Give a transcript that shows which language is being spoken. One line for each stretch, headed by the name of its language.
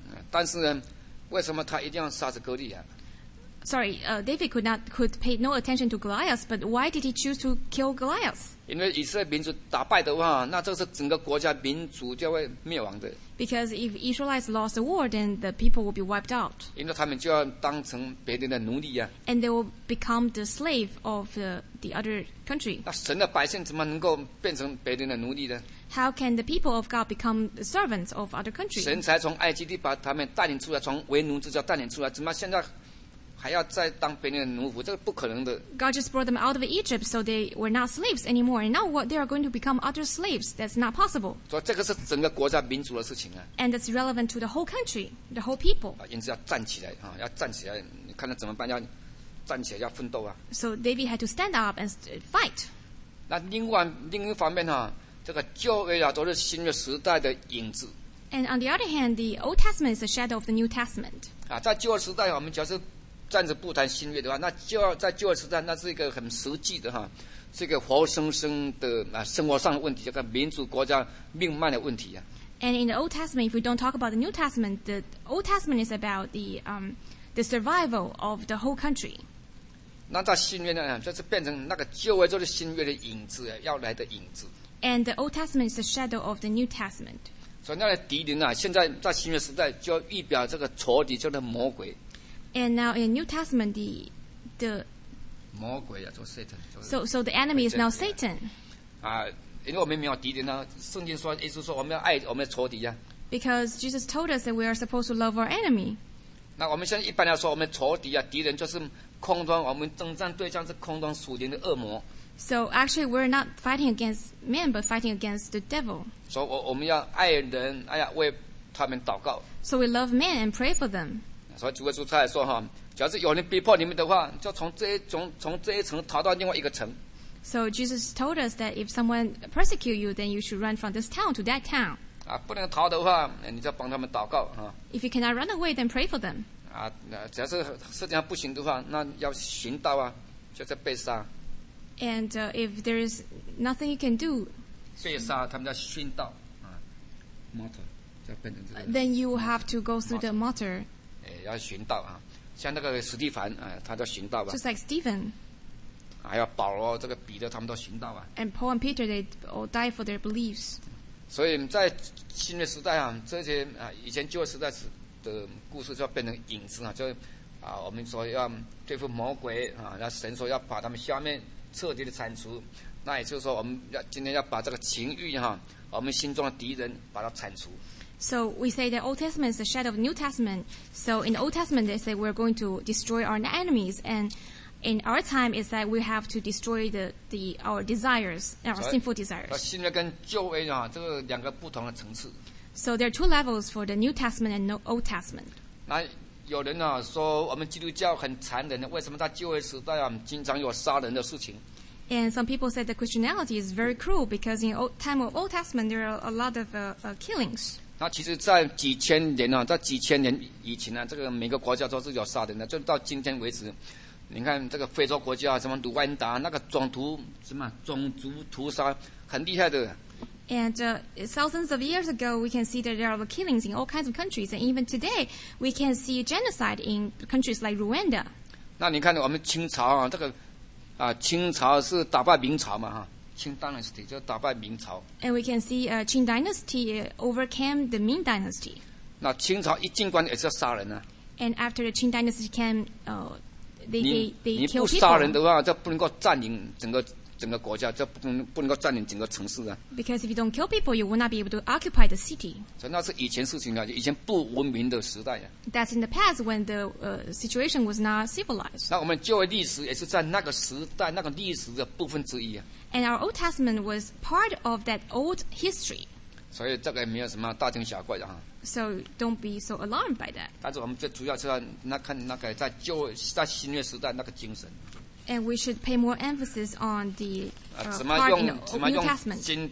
Chinese: 但是呢，为什么他一定要杀死哥利亚？
English: sorry, David could not could pay no attention to Goliath, but why did he choose to kill Goliath?
Chinese: 因为以色列民族打败的话，那这是整个国家民族就会灭亡的。
English: Because if Israelites lost the war, then the people will be wiped out.
Chinese: 因为他们就要当成别人的奴隶啊。
English: And they will become the slave of the other country.
Chinese: 那神的百姓怎么能够变成别人的奴隶呢？
English: How can the people of God become the servants of other countries?
Chinese: 神才从埃及地把他们带领出来，从为奴之家带领出来，怎么现在还要再当别人的奴仆？这个不可能的。
English: God just brought them out of Egypt, so they were not slaves anymore. And now what they are going to become other slaves? That's not possible.
Chinese: 所以这个是整个国家民族的事情啊。
English: And it's relevant to the whole country, the whole people.
Chinese: 因此要站起来啊，要站起来，你看他怎么办？要站起来，要奋斗啊。
English: So David had to stand up and fight.
Chinese: 那另一方面哈、啊。这个旧约啊，都是新约时代的影子。
English: And on the other hand, the Old Testament is the shadow of the New Testament.
Chinese: 啊，在旧约时代，我们只要是站着不谈新约的话，那旧在旧约时代，那是一个很实际的哈，是一个活生生的啊生活上的问题，这个民族国家命脉的问题啊。
English: And in the Old Testament, if we don't talk about the New Testament, the Old Testament is about the survival of the whole country.
Chinese: 那在新约呢，就是变成那个旧约就是新约的影子，要来的影子。
English: And the Old Testament is the shadow of the New Testament.
Chinese: 所以那个敌人啊，现在在新约时代就预表这个仇敌，叫做魔鬼。
English: And now in New Testament, the
Chinese: 魔鬼啊，就 Satan。
English: So the enemy is now Satan.
Chinese: 啊，因为我们没有敌人啊，圣经说，耶稣说我们要爱我们的仇敌啊。
English: Because Jesus told us that we are supposed to love our enemy.
Chinese: 那我们现在一般来说，我们仇敌啊，敌人就是空中，我们征战对象是空中属灵的恶魔。
English: So actually, we're not fighting against men, but fighting against the devil. So we
Chinese: 要爱人，哎呀，为他们祷告。
English: So we love men and pray for them.
Chinese: 所以主耶稣他还说哈，假如有人逼迫你们的话，就从这一层逃到另外一个层。
English: So Jesus told us that if someone persecute you, then you should run from this town to that town.
Chinese: 啊，不能逃的话，你就帮他们祷告哈。
English: If you cannot run away, then pray for them.
Chinese: 啊，那只要是实际上不行的话，那要寻道啊，就是被杀。
English: And if there is nothing you can do,
Chinese: 被杀他们叫殉道啊 ，martyr， 叫变成这个。
English: Then you have to go through the martyr.
Chinese: 要殉道啊，像那个史蒂凡啊，他叫殉道吧。
English: Just like Stephen.
Chinese: 还有保罗这个彼得他们都殉道啊。
English: And Paul and Peter they all die for their beliefs.
Chinese: 所以在新的时代啊，这些啊以前旧时代的故事就变成影子啊，就啊我们说要对付魔鬼啊，那神说要把他们消灭。彻底的铲除，那也就是说，我们要今天要把这个情欲哈，我们心中的敌人把它铲除。
English: So we say that Old Testament is the shadow of New Testament. So in the Old Testament, they say we're going to destroy our enemies, and in our time, it's that we have to destroy the our desires, our sinful desires.
Chinese: 新约跟旧约啊，这个两个不同的层次。
English: So there are two levels for the New Testament and Old Testament.
Chinese: 那有人、啊、说我们基督教很残忍，为什么在旧约时代、啊、经常有杀人的事情
English: ？And some people said that Christianity is very cruel because in old time of Old Testament there are a lot of killings.
Chinese: 那其实，在几千年、啊、在几千年以前、啊、这个每个国家都是有杀人的，就到今天为止，你看这个非洲国家、啊、什么卢旺达那个种族屠杀很厉害的。
English: And thousands of years ago, we can see that there are killings in all kinds of countries. And even today, we can see genocide in countries like Rwanda.
Chinese: 那你看我们清朝啊，这个啊，清朝是打败明朝嘛哈，清 dynasty 就打败明朝。
English: And we can see Qing dynasty overcame the Ming dynasty.
Chinese: 那清朝一进关也是要杀人啊。
English: And after the Qing dynasty came, they kill people.
Chinese: 你不杀人的话，就不能够占领整个国家就不能够占领整个城市啊。
English: Because if you don't kill people, you will not be able to occupy the city.
Chinese: 所以那是以前事情啊，以前不文明的时代啊。
English: That's in the past when the situation was not civilized.
Chinese: 那我们旧约历史也是在那个时代那个历史的部分之一啊。
English: And our Old Testament was part of that old history.
Chinese: 所以这个也没有什么大惊小怪的哈。
English: So don't be so alarmed by that.
Chinese: 但是我们最主要是那看那个在旧在新约时代那个精神。
English: And we should pay more emphasis on the part in the New Testament.